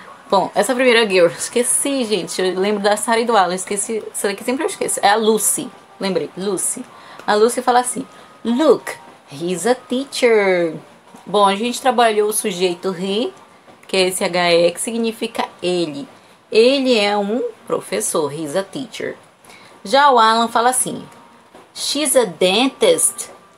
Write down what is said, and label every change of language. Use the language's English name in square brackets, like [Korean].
[Portuguese] Bom, essa primeira girl, esqueci, gente. Eu lembro da Sarah e do Alan, esqueci. Será que sempre eu esqueço? É a Lucy. Lembrei, Lucy. A Lucy fala assim: [English] Look, he's a teacher. [Portuguese] Bom, a gente trabalhou o sujeito he, que é esse HE, que significa ele. Ele é um professor, [English] he's a teacher. [Portuguese] Já o Alan fala assim: [English] She's a dentist.